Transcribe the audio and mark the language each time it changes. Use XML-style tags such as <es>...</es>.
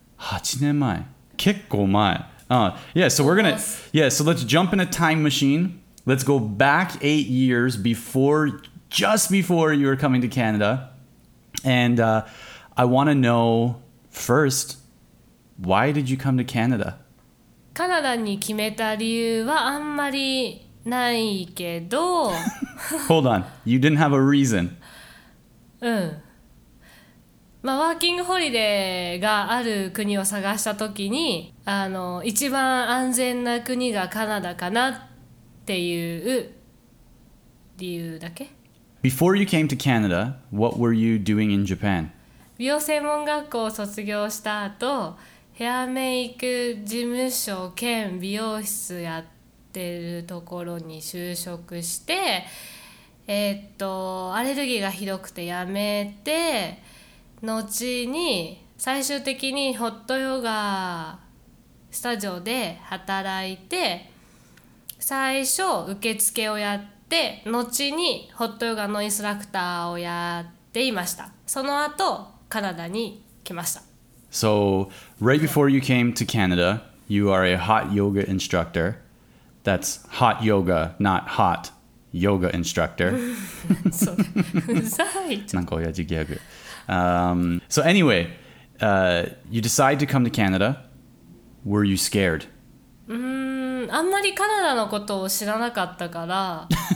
<ja>8年前。結構前。</ja> <en>Yeah, so we're gonna, yeah, so let's jump in a time machine. Let's go back 8 years before, just before you were coming to Canada. And I want to know first, why did you come to Canada?</en> <ja>カナダに決めた理由はあんまりないけど。</ja> <en>Hold on, you didn't have a reason.</en> <ja>うん。まあ、ワーキングホリデーがある国を探したときに、一番安全な国がカナダかなっていう理由だけ。</ja> <en>Before you came to Canada, what were you doing in Japan?</en> <ja>美容専門学校を卒業した後、ヘアメイク事務所兼美容室やってるところに就職して、アレルギーがひどくてやめて、後に最終的にホットヨガスタジオで働いて、最初受付をやって、後にホットヨガのインストラクターをやっていました。その後カナダに来ました。</ja> <en>So right before you came to Canada, you are a hot yoga instructor. That's hot yoga, not hot yoga instructor.</en> <ja>そううざい。なんか親父ギャグ。</ja> <en>So anyway, you decide to come to Canada. Were you scared?</en> <ja>あんまりカナダのことを知らなかったから。</ja>